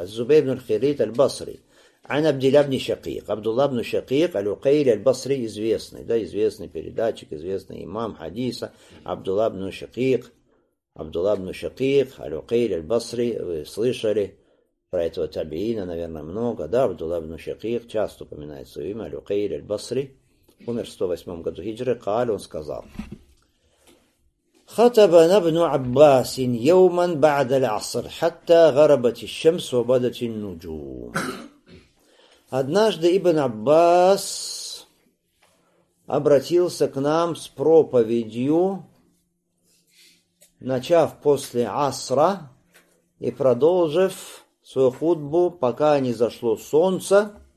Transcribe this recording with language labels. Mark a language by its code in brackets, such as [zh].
[ru] От Зубейр бну Хиррит аль-Басри. Ан Абдилла бн Шакик, Абдулла бн Шакик, Аль-Укейли, Аль-Басри, известный, да, известный передатчик, известный имам хадиса, Абдулла бн Шакик, Абдулла бн Шакик, Аль-Укейли, Аль-Басри, вы слышали про этого табиина, наверное, много, да, Абдулла бн Шакик, часто упоминает свое имя, Аль-Укейли, Аль-Басри, умер в 108 году хиджры, каль, он сказал. [ar] خطبنا ابن عباس يوما بعد العصر حتى غربت الشمس وبدت النجوم. [ru] Однажды Ибн Аббас обратился к нам с проповедью, начав после Асра и продолжив свою хутбу, пока не зашло солнце,